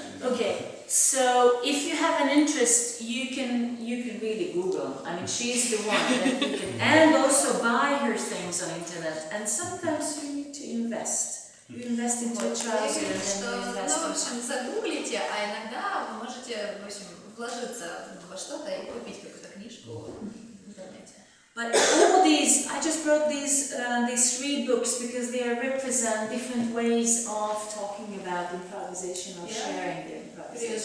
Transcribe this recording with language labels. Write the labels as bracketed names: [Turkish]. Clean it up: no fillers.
[English] Okay, so if you have an interest, you can really Google. I mean, she's the one that you can, and also buy her things on internet. And sometimes you need to invest. You invest into a trouser, and then you invest. [Russian] Ну, в общем, загуглите, а иногда вы можете, в общем, вложиться во что-то и купить какую-то книжку. [English] But all these, I just brought these three books because they represent different ways of talking about improvisation or sharing the improvisation.